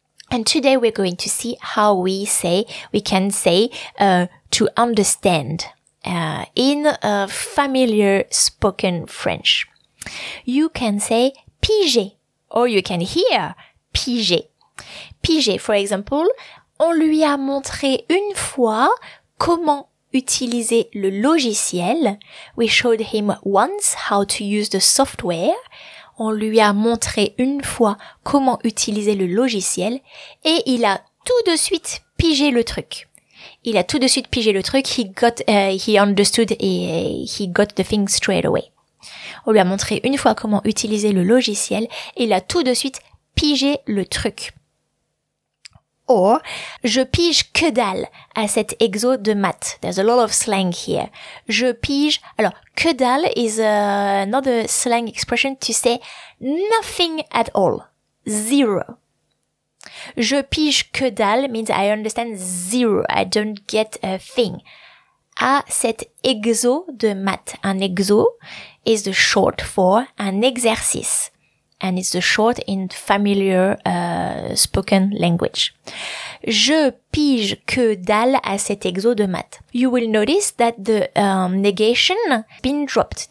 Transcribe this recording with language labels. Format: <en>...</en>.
<en>And today we're going to see how we can say to understand in a familiar spoken French. You can say piger, or you can hear piger.</en> <fr>Piger, for example, on lui a montré une fois comment utiliser le logiciel.</fr> <en>We showed him once how to use the software.</en> <fr>On lui a montré une fois comment utiliser le logiciel et il a tout de suite pigé le truc. Il a tout de suite pigé le truc.</fr> <en>He got the thing straight away.</en> <fr>On lui a montré une fois comment utiliser le logiciel et il a tout de suite pigé le truc.</fr> <en>Or,</en> <fr>je pige que dalle à cet exo de maths.</fr> <en>There's a lot of slang here.</en> <fr>Je pige... Alors, que dalle</fr> <en>is another slang expression to say nothing at all. Zero.</en> <fr>Je pige que dalle</fr> <en>means I understand zero. I don't get a thing.</en> <fr>À cet exo de maths.</fr> <en>Un exo is the short for an exercice. And it's the short in familiar spoken language.</en> <fr>Je pige que dalle à cet exo de maths.</fr> <en>You will notice that the negation been dropped.</en>